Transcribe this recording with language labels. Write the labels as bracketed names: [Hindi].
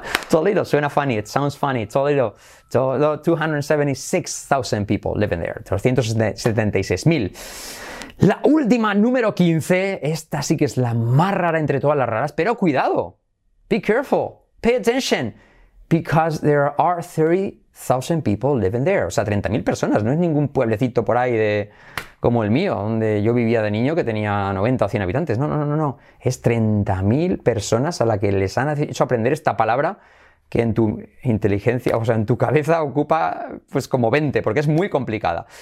[English] Toledo, [Spanish] suena funny, [English] it sounds funny. Toledo, 276,000 people living there. [Spanish] 376,000. La última, número 15. Esta sí que es la más rara entre todas las raras, pero cuidado. [English] Be careful, pay attention. Because there are 30,000 people living there. [Spanish] O sea, 30,000 personas. No es ningún pueblecito por ahí de como el mío, donde yo vivía de niño, que tenía 90 o 100 habitantes. No, no, no, no. Es 30,000 personas a las que les han hecho aprender esta palabra que en tu inteligencia, o sea, en tu cabeza ocupa pues como 20, porque es muy complicada.